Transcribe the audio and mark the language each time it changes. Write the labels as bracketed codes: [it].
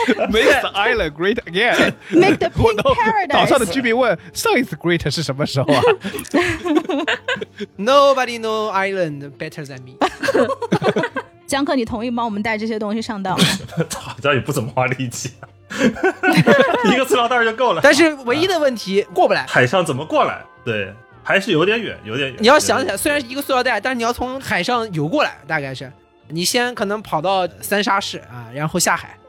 [en] Make the island great again. Make the pink paradise. [zh] 岛上的居民问，上一次 great 是什么时候啊？ [en] Nobody know island better than me. [zh] 江科，你同意帮我们带这些东西上岛吗？好像也不怎么花力气、啊。一个塑料袋就够了，但是唯一的问题、过不来，海上怎么过来？对，还是有点远，有点远。你要想起来，虽然是一个塑料袋，但是你要从海上游过来，大概是你先可能跑到三沙市啊，然后下海